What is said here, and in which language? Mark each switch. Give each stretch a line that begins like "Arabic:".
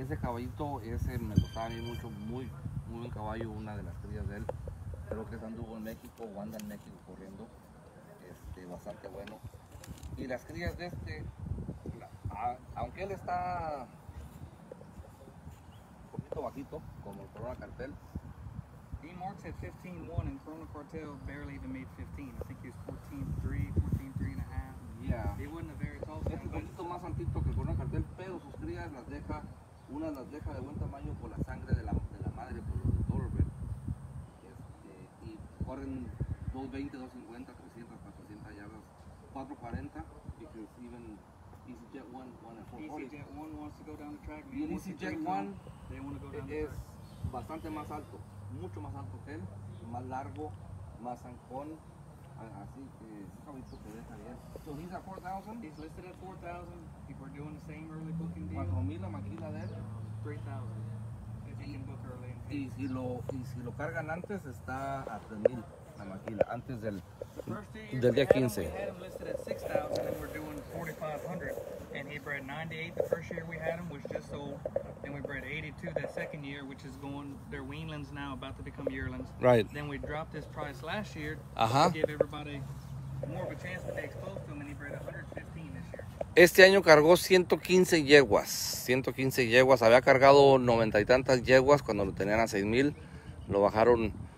Spanish: Ese caballito, ese me gustaba a mí mucho, muy, muy buen caballo, una de las crías de él. Creo que anduvo en México o anda en México corriendo. Bastante bueno. Y las crías de este, aunque él está un poquito bajito, como el Corona Cartel.
English: He marks at 15-1 and Corona Cartel barely even made 15. I think he was 14-3, 14-3 and a half. Yeah. He wasn't a very tall fan.
Spanish: Este es un poquito más antito que Corona Cartel, pero sus crías las deja, una las deja de buen tamaño por la sangre de la madre, por lo de Dorbert. Y corren 220, 250, 300, 400 yardas, 440,
English: because even Easy Jet 1 won at 440. Easy Jet 1 wants to go down the track.
Spanish: Y Easy Jet 1
English: they want to go down the
Spanish: es
English: track.
Spanish: Bastante más alto. Mucho más alto que él, más largo, más ancón, así que ese caballito te deja bien.
English: So he's at 4,000. He's listed at 4,000. People are doing the same early booking deal.
Spanish: 4,000 la maquila de él.
English: 3,000. If you can book early.
Spanish: Y si lo cargan antes, está a 3,000 la maquila, antes del día 15.
English: We had him listed at 6,000 and we're doing 4,500. And he bred 98 the first year we had him, which just sold. Then we bred 82 that second year, which is going, they're weanlings now, about to become yearlings. Right. Then we dropped his price last year. Uh-huh. To give everybody more of a chance to stay exposed to him, and he bred 115 this year.
Spanish: Este año cargó 115 yeguas. 115 yeguas. Había cargado 90 y tantas yeguas cuando lo tenían a 6,000. Lo bajaron